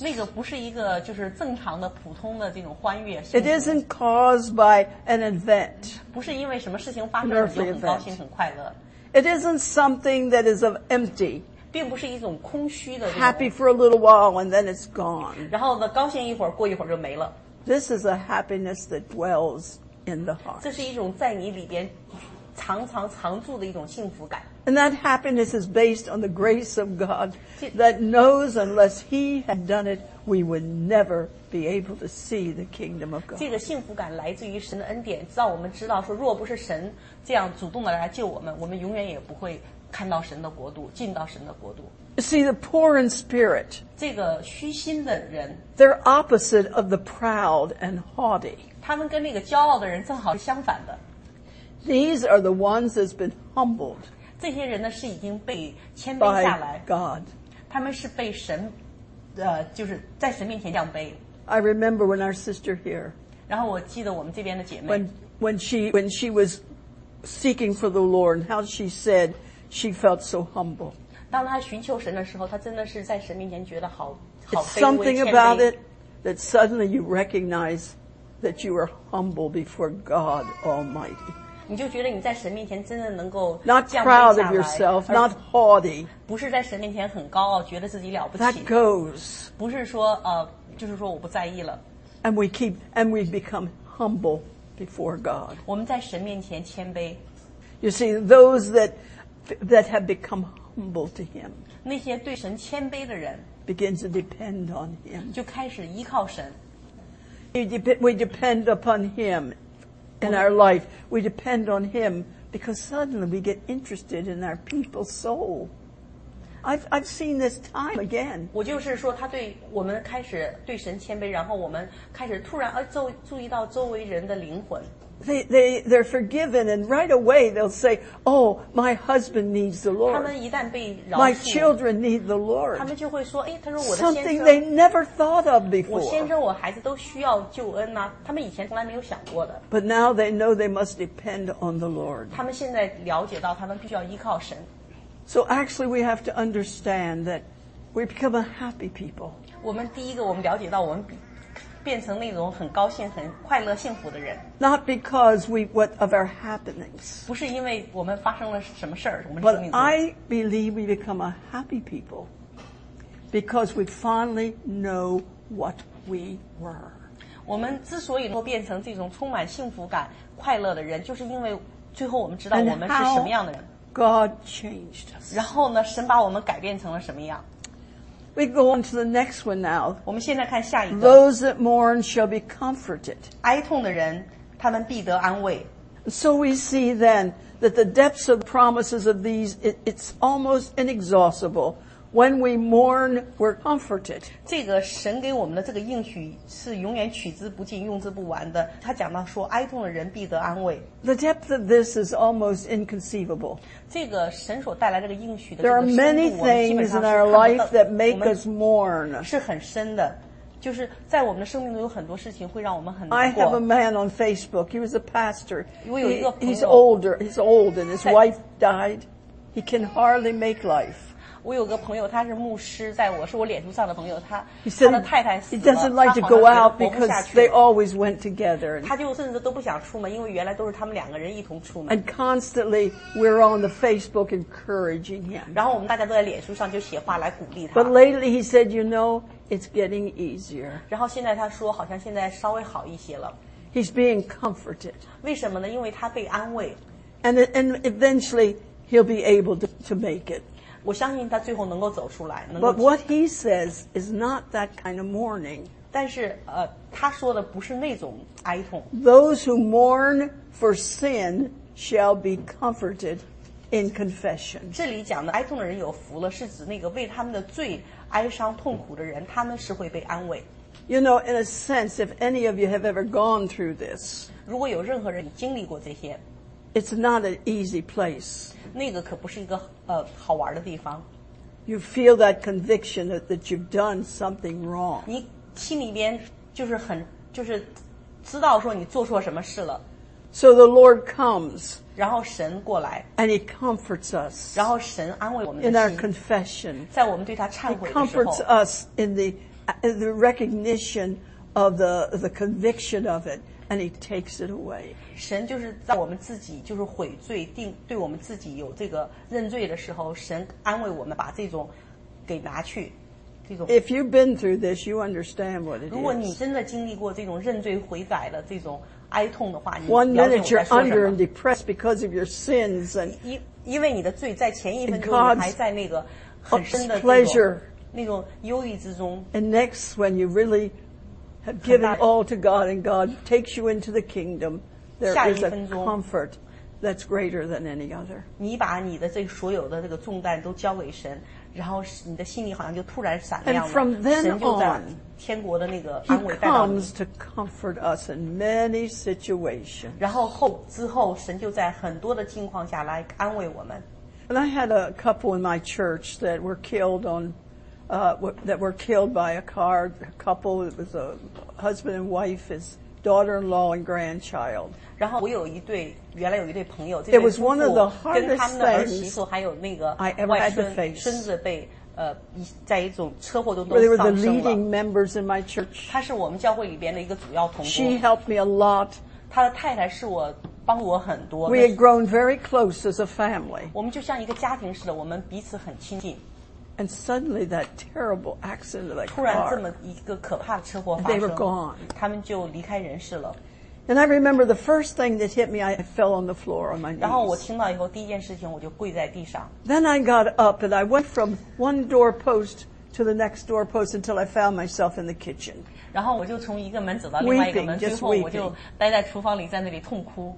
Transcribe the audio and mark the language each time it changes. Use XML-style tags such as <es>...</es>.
<en>It isn't caused by an event, an earthly event. It isn't something that is of empty.</en> <zh>并不是一种空虚的。</zh> <en>Happy for a little while and then it's gone.</en> <zh>然后呢，高兴一会儿，过一会儿就没了。</zh> <en>This is a happiness that dwells in the heart.</en> <zh>这是一种在你里边常住的一种幸福感。</zh> <en>And that happiness is based on the grace of God that knows unless He had done it, we would never be able to see the kingdom of God.</en> <zh>这个幸福感来自于神的恩典，让我们知道说，若不是神这样主动的来救我们，我们永远也不会看到神的国度，进到神的国度。</zh> <en>See the poor in spirit.</en> <zh>这个虚心的人</zh> <en>，they're opposite of the proud and haughty.</en> <zh>他们跟那个骄傲的人正好是相反的。</zh> <en>These are the ones that's been humbled.</en> <zh>这些人呢是已经被谦卑下来。</zh> <en>God,</en> <zh>他们是被神，就是在神面前降卑。</zh> <en>I remember when our sister here,</en> <zh>然后我记得我们这边的姐妹</zh> <en>when she was seeking for the Lord, how she said she felt so humble.</en> <zh>当她寻求神的时候，她真的是在神面前觉得好好卑微。</zh> <en>It's something about it that suddenly you recognize that you are humble before God Almighty.</en> <zh>你就觉得你在神面前真的能够</zh> <en>not proud of yourself, not haughty.</en> <zh>不是在神面前很高傲，觉得自己了不起。</zh> <en>That goes.</en> <zh>不是说就是说我不在意了。</zh> <en>And we become humble before God.</en> <zh>我们在神面前谦卑。</zh> <en>You see, those that have become humble to Him.</en> <zh>那些对神谦卑的人</zh> <en>begin to depend on Him.</en> <zh>就开始依靠神。</zh> <en>We depend upon Him. In our life, we depend on Him because suddenly we get interested in our people's soul. I've seen this time again.</en> <zh>我就是说，他对我们开始对神谦卑，然后我们开始突然注意到周围人的灵魂。</zh> <en>They're forgiven, and right away they'll say, "Oh, my husband needs the Lord."</en> <zh>他们一旦被饶恕</zh> <en>my children need the Lord.</en> <zh>他们就会说，哎，他说我的先生</zh> <en>something they never thought of before.</en> <zh>我先生，我孩子都需要救恩呐、啊，他们以前从来没有想过的。</zh> <en>But now they know they must depend on the Lord.</en> <zh>他们现在了解到，他们必须要依靠神。</zh> <en>So actually, we have to understand that we become a happy people.</en> <zh>我们第一个，我们了解到我们比。变成那种很高兴、很快乐、幸福的人。</zh> <en>Not because we what of our happenings.</en> <zh>不是因为我们发生了什么事儿，我们。</zh> <en>But I believe we become a happy people because we finally know what we were.</en> <zh>我们之所以能够变成这种充满幸福感、快乐的人，就是因为最后我们知道我们是什么样的人。</zh> <en>God changed us.</en> <zh>然后呢，神把我们改变成了什么样？</zh> <en>We go on to the next one now.</en> <zh>我们现在看下一个。</zh> <en>Those that mourn shall be comforted.</en> <zh>哀痛的人，他们必得安慰。</zh> <en>So we see then that the depths of promises of these, it's almost inexhaustible. When we mourn, we're comforted.</en> <zh>这个神给我们的这个应许是永远取之不尽、用之不完的。他讲到说，哀痛的人必得安慰。</zh> <en>The depth of this is almost inconceivable.</en> <zh>这个神所带来这个应许的</zh> <en>，There are many things in our life that make us mourn.</en> <zh>是很深的，就是在我们的生命中有很多事情会让我们很难过。</zh> <en>I have a man on Facebook. He was a pastor.</en> <zh>我有一个朋友。</zh> <en>He's older. He's old, and his wife died. He can hardly make life.</en> <zh>我有个朋友，他是牧师，在我是我脸书上的朋友，他</zh> <en>he said,</en> <zh>他的太太死了，</zh> <en>he doesn't like to go out because they always went together.</en> <zh>他就甚至都不想出门，因为原来都是他们两个人一同出门。</zh> <en>And constantly we're on the Facebook encouraging him.</en> <zh>然后我们大家都在脸书上就写话来鼓励他。</zh> <en>But lately he said, you know, it's getting easier.</en> <zh>然后现在他说，好像现在稍微好一些了。</zh> <en>He's being comforted.</en> <zh>为什么呢？因为他被安慰。</zh> <en>And eventually he'll be able to make it.</en> <zh>我相信他最后能够走出来。</zh> <en>But what he says is not that kind of mourning.</en> <zh>但是他说的不是那种哀痛。</zh> <en>Those who mourn for sin shall be comforted in confession.</en> <zh>这里讲的哀痛的人有福了，是指那个为他们的罪哀伤痛苦的人，他们是会被安慰。</zh> <en>You know, in a sense, if any of you have ever gone through this,</en> <zh>如果有任何人经历过这些。</zh> <en>It's not an easy place.</en> <zh>那个可不是一个好玩的地方。</zh> <en>You feel that conviction that you've done something wrong.</en> <zh>你心里边就是很就是知道说你做错什么事了。</zh> <en>So the Lord comes.</en> <zh>然后神过来。</zh> <en>And He comforts us.</en> <zh>然后神安慰我们的心。</zh> <en>In our confession.</en> <zh>在我们对他忏悔的时候。</zh> <en>He comforts us in the recognition of the conviction of it. And He takes it away.</en> <zh>神就是在我们自己就是悔罪定对我们自己有这个认罪的时候，神安慰我们把这种给拿去。这种</zh> <en>If you've been through this, you understand what it is.</en> <zh>如果你真的经历过这种认罪悔改的这种哀痛的话，你</zh> <en>One minute you're under and depressed because of your sins, and</en> <zh>因为你的罪在前一分钟你还在那个很深的</zh> <en>pleasure</en> <zh>那种忧郁之中。</zh> <en>And next, when you really Have given all to God and God takes you into the kingdom. There is a comfort that's greater than any other.</en> <zh>你把你的这所有的这个重担都交给神，然后你的心里好像就突然闪亮了。</zh> <en>And from then on,</en> <zh>天国的那个安慰带到你。</zh> <en>He comes to comfort us in many situations.</en> <zh>然后之后神就在很多的境况下来安慰我们。</zh> <en>And I had a couple in my church that were killed on. That were killed by a car, a couple, it was a husband and wife is daughter-in-law and grandchild.</en> <zh>然后我有一对原来有一对朋友，这对夫妇跟他们的儿媳妇还有那个外孙</zh> <en>I ever had to face.</en> <zh>孙子被在一种车祸中都丧生了。</zh> <en>They were the leading members in my church.</en> <zh>他是我们教会里边的一个主要同工。</zh> <en>She helped me a lot.</en> <zh>他的太太是我帮我很多。</zh> <en>We had grown very close as a family.</en> <zh>我们就像一个家庭似的，我们彼此很亲近。</zh> <en>And suddenly that terrible accident of that car.</en> <zh>突然这么一个可怕的车祸发生。</zh> <en>They were gone.</en> <zh>他们就离开人世了。</zh> <en>And I remember the first thing that hit me, I fell on the floor on my knees.</en> <zh>然后我听到以后，第一件事情我就跪在地上。</zh> <en>Then I got up and I went from one doorpost to the next doorpost until I found myself in the kitchen.</en> <zh>然后我就从一个门走到另外一个门，最后我就待在厨房里，在那里痛哭。</zh>